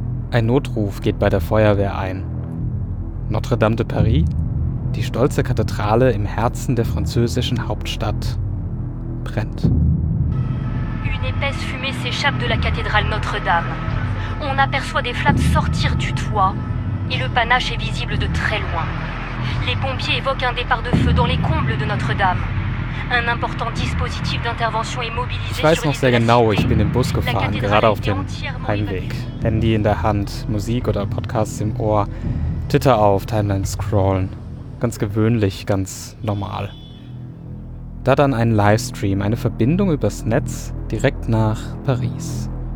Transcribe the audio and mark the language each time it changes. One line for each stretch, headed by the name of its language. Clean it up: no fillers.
German: Ein Notruf geht bei der Feuerwehr ein. Notre-Dame de Paris, die stolze Kathedrale im Herzen der französischen Hauptstadt, brennt.
French: Une épaisse fumée s'échappe de la cathédrale Notre-Dame. On aperçoit des flammes sortir du toit et le panache est visible de très loin. Les pompiers évoquent un départ de feu dans les combles de Notre-Dame. Un important dispositif d'intervention est mobilisé.
German: Ich weiß noch sehr genau, ich bin im Bus gefahren, gerade auf dem Heimweg. Handy in der Hand, Musik oder Podcasts im Ohr. Twitter auf, Timeline scrollen. Ganz gewöhnlich, ganz normal. Da dann ein Livestream, eine Verbindung übers Netz direkt nach Paris.